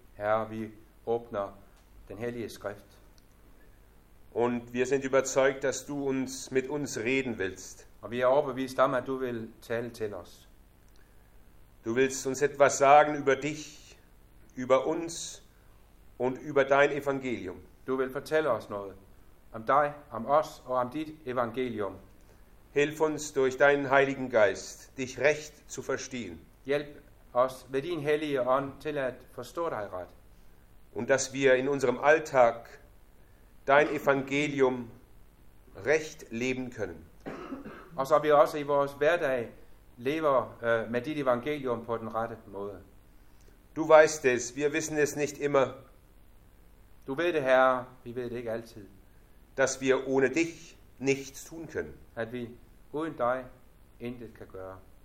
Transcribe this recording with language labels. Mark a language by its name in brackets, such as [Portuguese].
[German] Herr, wir öffnen den heilige Schrift. Und wir sind überzeugt, dass du uns mit uns reden willst. Und wir überzeugt, dass du will [Danish] tell til os. [German] Du willst uns etwas sagen über dich, über uns. Und über dein Evangelium. [Danish] Du vil fortælle os noget om dig, om os og om dit evangelium. [German] Hilf uns durch deinen heiligen Geist, dich recht zu verstehen. [Danish] Hjælp os ved din hellige ånd til at forstå dig ret. [German] Und dass wir in unserem Alltag dein evangelium recht leben können. [Danish] Og så vi også i vores hverdag lever med dit evangelium på den rette måde. [German] Du weißt es, wir wissen es nicht immer. [Danish] Du ved det, Herre, vi ved det ikke altid. [German] Dass wir ohne dich nichts tun können. [Danish] At vi uden dig intet kan gøre.